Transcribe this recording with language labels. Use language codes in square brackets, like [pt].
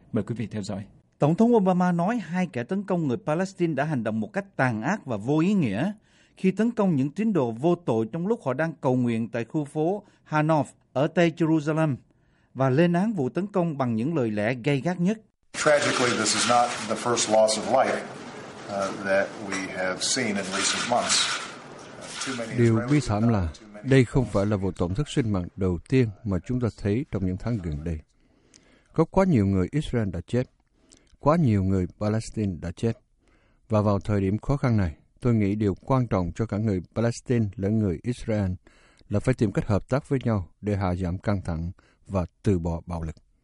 [vi] Mời quý vị theo dõi. Tổng thống Obama nói hai kẻ tấn công người Palestine đã hành động một cách tàn ác và vô ý nghĩa khi tấn công những tín đồ vô tội trong lúc họ đang cầu nguyện tại khu phố Hanof ở Tây Jerusalem và lên án vụ tấn công bằng những lời lẽ gay gắt nhất. [en] Tragically, this is not the first loss of life that we have seen in recent months. [vi] Điều bi thảm là đây không phải là vụ tổn thất sinh mạng đầu tiên mà chúng ta thấy trong những tháng gần đây. Có quá nhiều người Israel đã chết, quá nhiều người Palestine đã chết. Và vào thời điểm khó khăn này, tôi nghĩ điều quan trọng cho cả người Palestine lẫn người Israel là phải tìm cách hợp tác với nhau để hạ giảm căng thẳng và từ bỏ bạo lực.